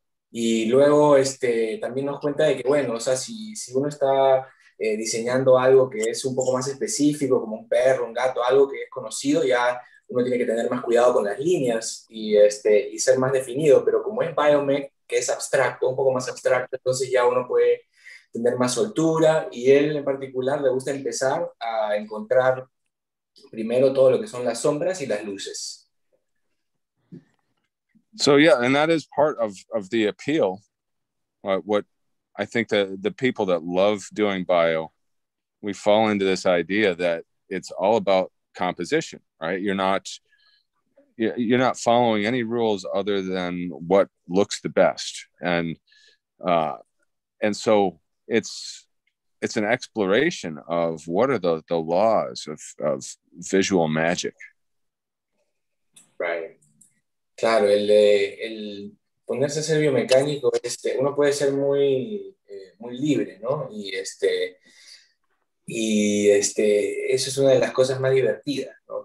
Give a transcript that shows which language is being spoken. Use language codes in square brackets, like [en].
[es] Y luego también nos cuenta de que, bueno, o sea, si uno está diseñando algo que es un poco más específico, como un perro, un gato, algo que es conocido, ya uno tiene que tener más cuidado con las líneas y ser más definido, pero como es biomech, que es abstracto, un poco más abstracto, entonces ya uno puede tener más soltura, y él en particular le gusta empezar a encontrar primero todo lo que son las sombras y las luces. [en] So yeah, and that is part of the appeal. What I think the people that love doing bio, we fall into this idea that it's all about composition, right? You're not following any rules other than what looks the best, and so it's an exploration of what are the laws of visual magic. Right. [es] Claro, él ponerse a ser biomecánico, uno puede ser muy, muy libre, ¿no? Y eso es una de las cosas más divertidas, ¿no?